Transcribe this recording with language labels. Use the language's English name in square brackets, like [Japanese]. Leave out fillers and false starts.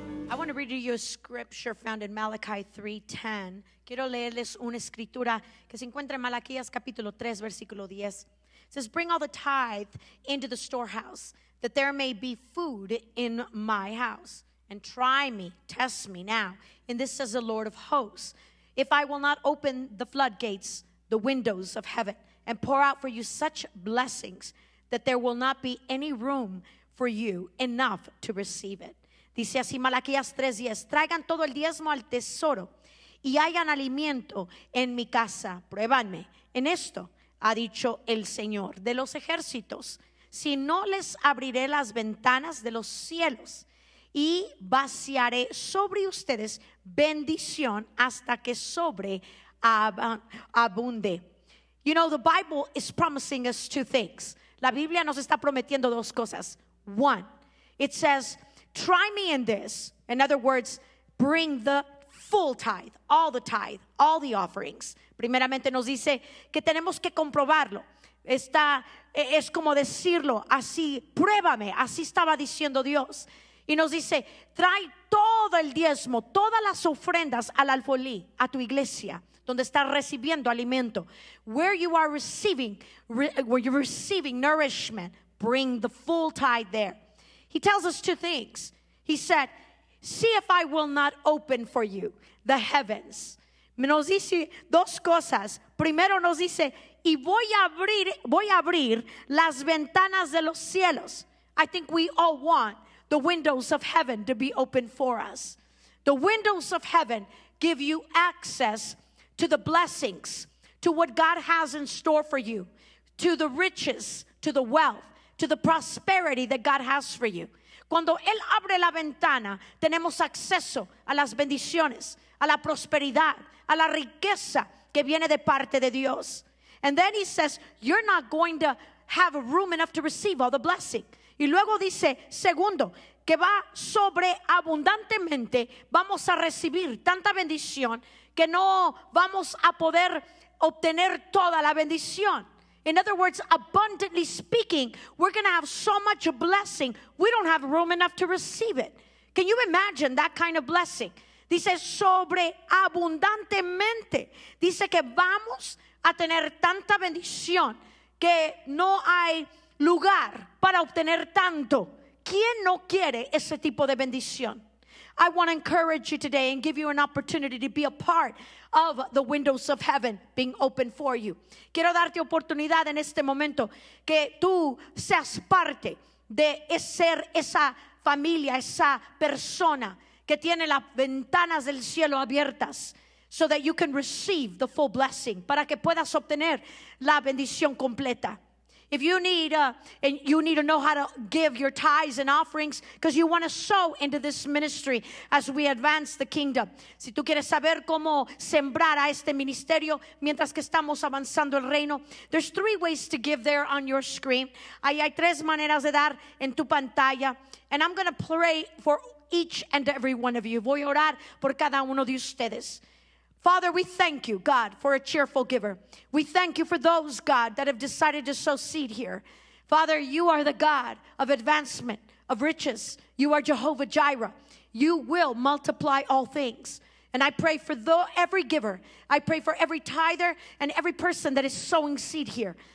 [English] I want to read you a scripture found in Malachi 3:10. [Spanish] Quiero leerles una escritura que se encuentra en Malaquías capítulo 3, versículo 10. [English] It says, bring all the tithe into the storehouse, that there may be food in my house. And try me, test me now. And this says the Lord of hosts, if I will not open the floodgates, the windows of heaven, and pour out for you such blessings that there will not be any room for you enough to receive it. [Spanish] Dice así Malaquías 3:10, traigan todo el diezmo al tesoro y hayan alimento en mi casa. Pruébanme en esto, ha dicho el Señor de los ejércitos, si no les abriré las ventanas de los cielos y vaciaré sobre ustedes bendición hasta que sobre abunde. [English] You know, the Bible is promising us two things. [Spanish] La Biblia nos está prometiendo dos cosas. [English] One, it says, try me in this. In other words, bring the full tithe, all the offerings. [Spanish] Primeramente nos dice que tenemos que comprobarlo. Está, es como decirlo así, pruébame, así estaba diciendo Dios. Y nos dice, trae todo el diezmo, todas las ofrendas al alfolí, a tu iglesia, donde estás recibiendo alimento. [English] Where you are receiving, where you're receiving nourishment, bring the full tithe there. He tells us two things. He said, see if I will not open for you the heavens. [Spanish] Nos dice dos cosas. Primero nos dice, y voy a abrir las ventanas de los cielos. [English] I think we all want the windows of heaven to be open for us. The windows of heaven give you access to the blessings, to what God has in store for you, to the riches, to the wealth, to the prosperity that God has for you. [Spanish] Cuando Él abre la ventana, tenemos acceso a las bendiciones, a la prosperidad, a la riqueza que viene de parte de Dios. [English] And then He says, you're not going to have room enough to receive all the blessing. [Spanish] Y luego dice, segundo, que va sobreabundantemente, vamos a recibir tanta bendición que no vamos a poder obtener toda la bendición. [English] In other words, abundantly speaking, we're going to have so much blessing, we don't have room enough to receive it. Can you imagine that kind of blessing? [Spanish] Dice sobreabundantemente. Dice que vamos a tener tanta bendición que no hay lugar para obtener tanto. ¿Quién no quiere ese tipo de bendición? [English] I want to encourage you today and give you an opportunity to be a part of the windows of heaven being opened for you. [Spanish] Quiero darte oportunidad en este momento que tú seas parte de ser esa familia, esa persona que tiene las ventanas del cielo abiertas, [English] so that you can receive the full blessing, [Spanish] para que puedas obtener la bendición completa. [English] If you need and you need to know how to give your tithes and offerings because you want to sow into this ministry as we advance the kingdom. [Spanish] Si tú quieres saber cómo sembrar a este ministerio mientras que estamos avanzando el reino, [English] there's three ways to give there on your screen. [Spanish] Ahí hay tres maneras de dar en tu pantalla. [English] And I'm going to pray for each and every one of you. [Spanish] Voy a orar por cada uno de ustedes. [English] Father, we thank you, God, for a cheerful giver. We thank you for those, God, that have decided to sow seed here. Father, you are the God of advancement, of riches. You are Jehovah Jireh. You will multiply all things. And I pray for every giver. I pray for every tither and every person that is sowing seed here.